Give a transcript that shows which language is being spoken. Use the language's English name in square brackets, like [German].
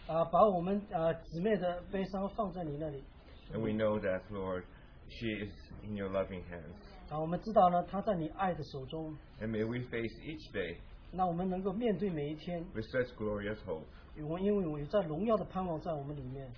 [Chinese] 把我们姊妹的悲伤放在你那里。 [English] And we know that, Lord, she is in your loving hands. [Chinese] 我们知道呢，她在你爱的手中。 [English] And may we face each day. [Chinese] 那我们能够面对每一天。 [English] With such glorious hope. [Chinese] 因为我有在荣耀的盼望在我们里面。